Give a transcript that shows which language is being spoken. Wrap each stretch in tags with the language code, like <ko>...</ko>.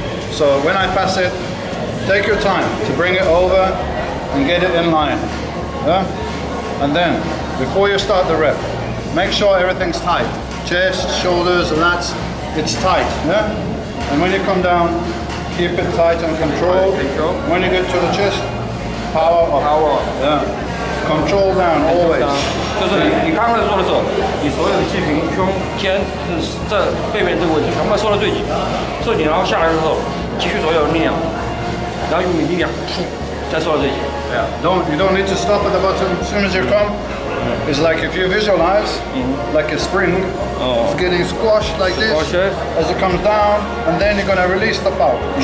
<en>So when I pass it, take your time to bring it over and get it in line. Yeah? And then, before you start the rep, make sure everything's tight. Chest, shoulders, and lats, it's tight. Yeah? And when you come down, keep it tight and controlled. When you get to the chest, power up. Power up. Yeah. Control down, always.</en> <zh>就是你刚刚在做的时候，你所有的肌群、胸、肩，这背面这个位置全部收到最紧，收紧，然后下来之后，继续所有的力量，然后用力量，再收到最紧。</zh> <en>Don't, you don't need to stop at the bottom. As soon as you come, it's like if you visualize, like a spring, it's getting squashed like this. As it comes down, and then you're gonna release the power.</en>